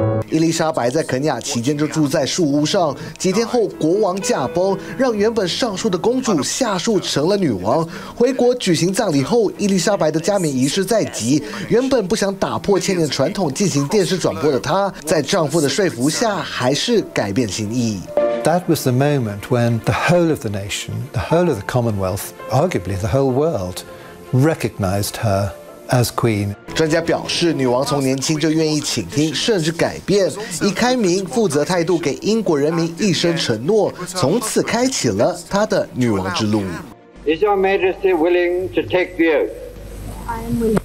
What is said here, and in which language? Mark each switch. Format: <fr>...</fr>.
<zh>伊丽莎白在肯雅期间就住在树屋上，几天后国王驾崩，让原本上树的公主下树成了女王。回国举行葬礼后，伊丽莎白的加冕仪式在即，原本不想打破千年传统进行电视转播的她，在丈夫的说服下还是改变心意。</zh> <en>That was the moment when the whole of the nation, the whole of the Commonwealth, arguably the whole world, recognized her. As queen.</en> <zh>专家表示，女王从年轻就愿意倾听，甚至改变，以开明、负责态度给英国人民一生承诺，从此开启了她的女王之路。</zh> <en>Is Your Majesty willing to take the oath?</en>